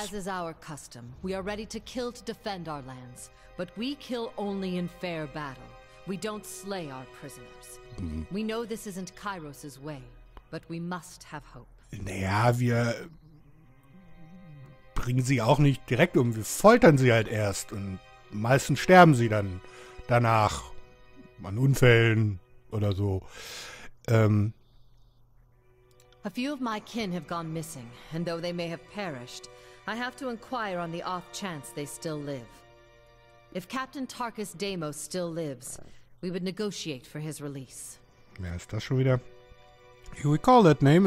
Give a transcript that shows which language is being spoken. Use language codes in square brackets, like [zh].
[en] As is our custom, we are ready to kill to defend our lands. But we kill only in fair battle. We don't slay our prisoners. Mm-hmm. We know this isn't Kairos' way, but we must have hope. [de] Naja, wir bringen sie auch nicht direkt um. Wir foltern sie halt erst. Und meistens sterben sie dann danach an Unfällen oder so. [en] A few of my kin have gone missing, and though they may have perished, I have to inquire on the off chance they still live. If Captain Tarkus Deimos still lives, we would negotiate for his release. [de] Wer ist das schon wieder? [en] You recall that name?